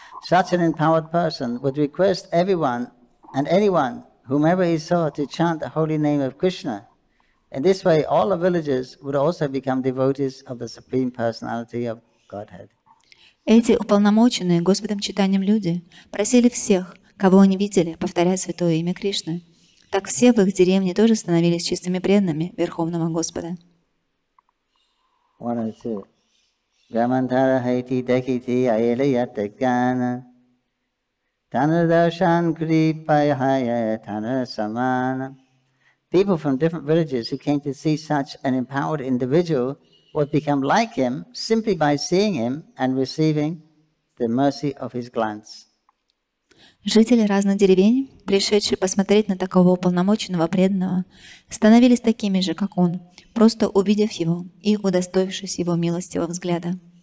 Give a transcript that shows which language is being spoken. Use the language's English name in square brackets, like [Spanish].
[English] Such an empowered person would request everyone and anyone, whomever he saw, to chant the holy name of Krishna. In this way, all the villagers would also become devotees of the Supreme Personality of Godhead. [Russian] Эти уполномоченные Господом Читанием люди просили всех, кого они видели, повторять святое имя Кришны. Так все в их деревне тоже становились чистыми преданными Верховного Господа. Гамантара хайти дакити айлаятта гана Танадашан крипайхая танасамана. [English] People from different villages who came to see such an empowered individual would become like him simply by seeing him and receiving the mercy of his glance. [Russian] Жители разных деревень, пришедшие посмотреть на такого уполномоченного преданного, становились такими же, как он, просто увидев его и удостоившись его милостивого взгляда.